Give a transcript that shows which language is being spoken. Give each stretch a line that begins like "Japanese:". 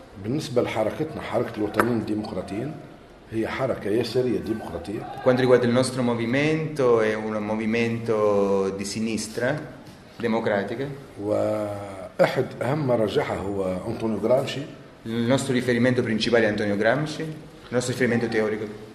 Arabic: بالنسبه لحركتنا حركه الوطنيين الديمقراطيين هي حركه يساريه ديمقراطيه.
Italian: Quanto riguarda il nostro movimento è un movimento di sinistra democratica.
Arabic: واحد اهم مرجعها هو انطونيو غرامشي.
Italian: Il nostro riferimento principale è Antonio Gramsci. Il nostro riferimento teorico.